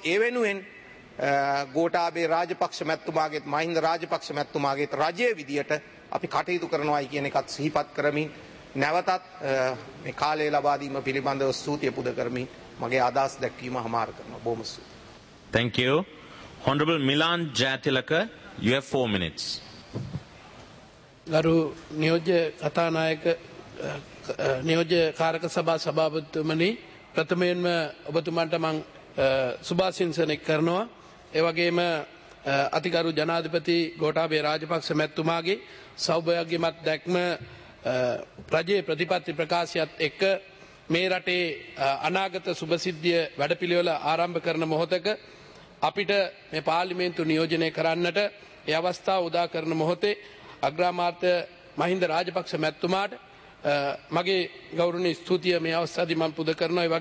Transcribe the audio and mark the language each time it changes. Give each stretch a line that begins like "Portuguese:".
Sinhala: ඒ වෙනුවෙන් ගෝඨාභය රාජපක්ෂ මැතිතුමාගේත් මහින්ද රාජපක්ෂ මැතිතුමාගේත් රජයේ විදියට අපි කටයුතු කරනවායි කියන එකත් සිහිපත් කරමින් නැවතත් මේ කාලය ලබා දීම පිළිබඳව ස්තුතිය පුද කරමින් මගේ අදහස් දැක්වීම හමාර කරනවා. බොහොම ස්තුතියි.
English: Thank you. Honorable Milan Jayatilaka, you have 4 minutes.
Sinhala: ගරු නියෝජ්‍ය කතානායක නියෝජ්‍ය කාරක සභා සභාපතිතුමනි, ප්‍රථමයෙන්ම ඔබතුමන්ට මං සුභාශිංසනය කරනවා. ඒ වගේම අතිගරු ජනාධිපති ගෝඨාභය රාජපක්ෂ මැතිතුමාගේ සෞභාග්‍යමත් දැක්ම ප්‍රජයේ ප්‍රතිපත්ති ප්‍රකාශයත් එක්ක මේ රටේ අනාගත සුභසිද්ධිය වැඩපිළිවෙල ආරම්භ කරන මොහොතක අපිට මේ පාර්ලිමේන්තු නියෝජනය කරන්නට ඒ අවස්ථාව උදා කරන මොහොතේ අග්‍රාමාත්‍ය මහින්ද රාජපක්ෂ මැතිතුමාට මගේ ගෞරවනීය ස්තුතිය මේ අවස්ථාවේදී මම පුද කරනවා.